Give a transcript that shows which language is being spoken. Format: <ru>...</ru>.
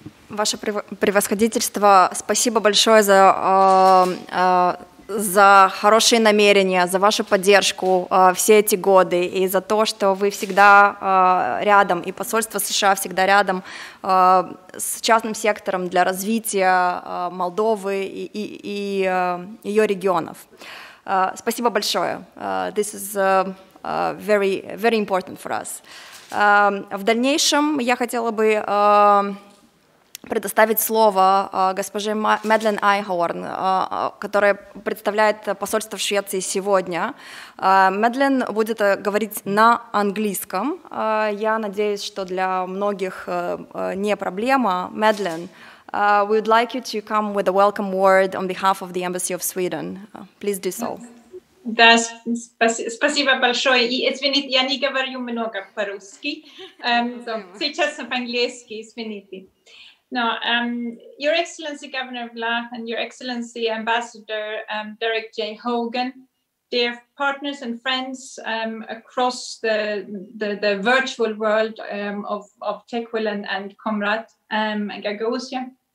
<ru>Ваше превосходительство, спасибо большое за хорошие намерения, за вашу поддержку все эти годы и за то, что вы всегда рядом, и посольство США всегда рядом с частным сектором для развития Молдовы и ее регионов. Спасибо большое.</ru> <en>This is very, very important for us.</en> <ru>В дальнейшем я хотела бы предоставить слово госпоже Мэдлен Айхорн, которая представляет посольство в Швеции сегодня. Мэдлен будет говорить на английском. Я надеюсь, что для многих не проблема.</ru> <en>Мэдлен, we would like you to come with a welcome word on behalf of the Embassy of Sweden. Please do so.</en> <ru>Да, спасибо большое. И извините, я не говорю много по-русски. Сейчас по-английски, извините.</ru> <en>No, Your Excellency Governor Vlach and Your Excellency Ambassador Derek J. Hogan, dear partners and friends across the virtual world of Tekwil and Comrade and Gagosia.</en>